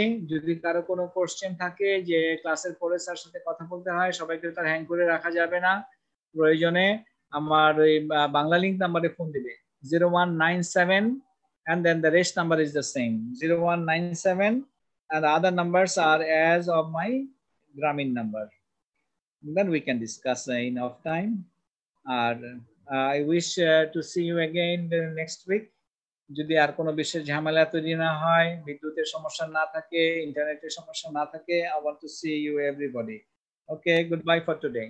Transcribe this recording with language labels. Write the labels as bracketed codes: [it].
[bn] যদি কারো কোনো কোশ্চেন থাকে যে ক্লাসের পরে স্যার সাথে কথা বলতে হয়, সবাইকে তার হ্যাং করে রাখা যাবে না, প্রয়োজনে আমার ওই বাংলা লিংক নাম্বারে ফোন দিবে 0197 [en] and then the rest number is the same 0197 and other numbers are as of my Gramin number, then we can discuss in off time. And I wish to see you again next week. [bn] যদি আর কোনো বিশেষ ঝামেলা তৈরি না হয়, বিদ্যুতের সমস্যা না থাকে, ইন্টারনেটের সমস্যা না থাকে, [en] I want to see you everybody. Okay, goodbye for today.